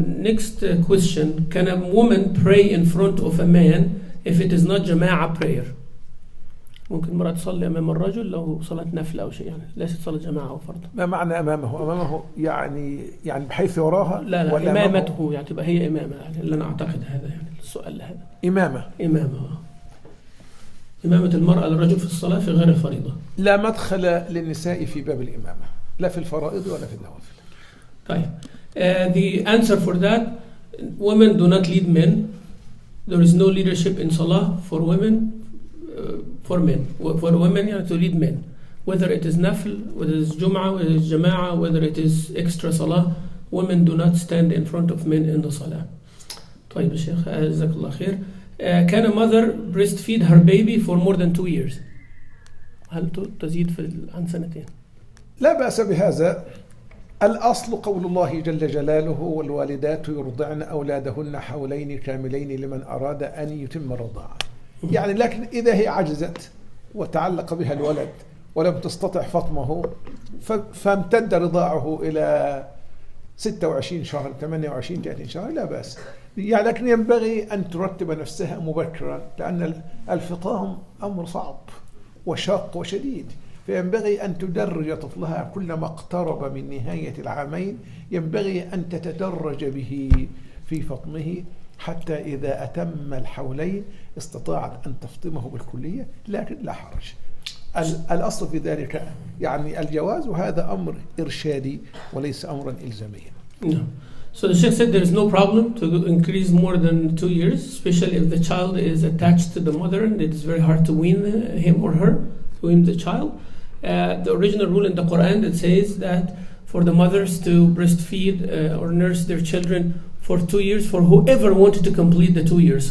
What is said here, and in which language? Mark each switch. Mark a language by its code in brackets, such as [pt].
[en] Next question, can a woman pray in front of a man if it is not jama'ah prayer? [ar] ممكن مرأة تصلي أمام الرجل لو صلاة نفلة أو شيء يعني ليس تصلي جماعة أو فرض. ما معنى أمامه؟ أمامه يعني بحيث يراها؟ لا إمامته يعني تبقى هي إمامة يعني اللي أنا أعتقد هذا يعني السؤال هذا. إمامة؟ إمامة إمامة المرأة للرجل في الصلاة في غير الفريضة. لا مدخل للنساء في باب الإمامة لا في الفرائض ولا في النوافل. [en] طيب the answer for that, women do not lead men. There is no leadership in salah for women. For men, for women, yeah, to lead men, whether it is nafl, whether it is jum'ah, whether it is jama'ah, whether it is extra salah, women do not stand in front of men in the salah. [ar] طيب الشيخ جزاك الله خير. [en] Can a mother breastfeed her baby for more than 2 years? [ar] هل تزيد في عن سنتين؟ لا بأس بهذا. الأصل قول الله جل جلاله والوالدات يرضعن أولادهن حولين كاملين لمن أراد أن يتم الرضاعة. يعني لكن إذا هي عجزت وتعلق بها الولد ولم تستطع فطمه فامتد رضاعه إلى 26 شهر 28 30 شهر لا بأس. يعني لكن ينبغي أن ترتب نفسها مبكرا، لأن الفطام أمر صعب وشاق وشديد، فينبغي أن تدرج طفلها كلما اقترب من نهاية العامين ينبغي أن تتدرج به في فطمه حتى إذا أتم الحولين استطاعت أن تفطمه بالكلية، لكن لا حرج. الأصل في ذلك يعني الجواز، وهذا أمر إرشادي وليس أمرا إلزاميا. [en] So the Sheikh said there is no problem to increase more than 2 years, especially if the child is attached to the mother and it is very hard to wean him or her, to wean the child. The original rule in the Quran, it says that for the mothers to breastfeed or nurse their children for 2 years, for whoever wanted to complete the 2 years.